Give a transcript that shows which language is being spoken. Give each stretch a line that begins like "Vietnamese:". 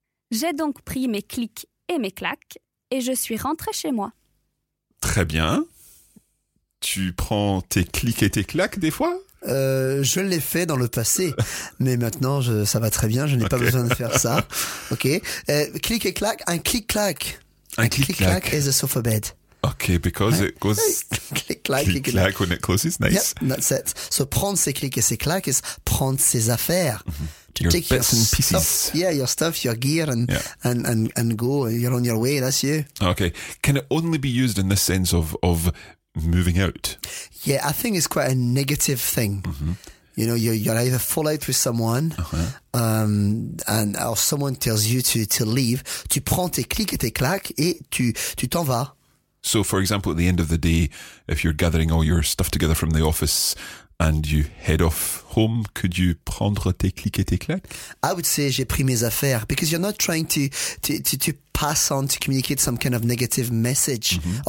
French: J'ai donc pris mes clics et mes claques et je suis rentrée chez moi. Très bien. Tu prends tes clics et tes claques des fois ? Je l'ai fait dans le passé, mais maintenant ça va très bien, je n'ai pas besoin de faire ça. Ok, clic et claque, un clic-clac. Un clic-clac
English: is a sofa bed. Okay, because it goes click-clack when it closes, nice. Yep, that's it.
French: So prendre ses clics et ses claques is prendre ses affaires.
English: Mm-hmm. To your bits and pieces. Stuff, yeah, your stuff, your gear and go, you're on your way, that's you. Okay, can it only be used in the sense of moving out? Yeah, I think it's quite a negative thing. Mm-hmm. You know, you're either fall out with someone, uh-huh. And or someone tells you to leave.
French: Tu prends tes clics et tes claques et tu t'en vas.
English: So, for example, at the end of the day, if you're gathering all your stuff together from the office and you head off home, could you
French: prendre tes clics et tes claques?
English: I would say
French: j'ai pris mes affaires,
English: because you're not trying to pass on, to communicate some kind of negative message, mm-hmm.